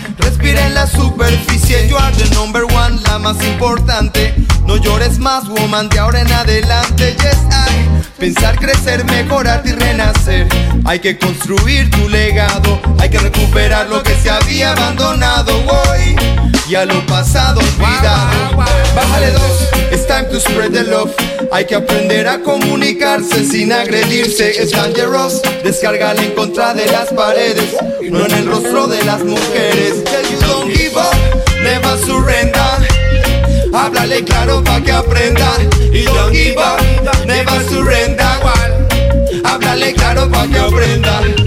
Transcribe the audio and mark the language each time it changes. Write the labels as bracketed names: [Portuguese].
[Spanish] Respira en la superficie. [English] You are the number one, [Spanish] la más importante. No llores. eres más woman de ahora en adelante. Yes, I. Pensar, crecer, mejorarte y renacer. Hay que construir tu legado. Hay que recuperar lo que se había abandonado hoy. Y a lo pasado olvidado. Bájale dos, [English] it's time to spread the love. [Spanish] Hay que aprender a comunicarse sin agredirse. Es dangerous, descárgala en contra de las paredes, no en el rostro de las mujeres. [English] Tell you don't give up, never surrender. [Spanish] Háblale claro pa' que aprenda. [English] Y don't give up, never surrender. [Spanish] Háblale claro pa' que aprenda.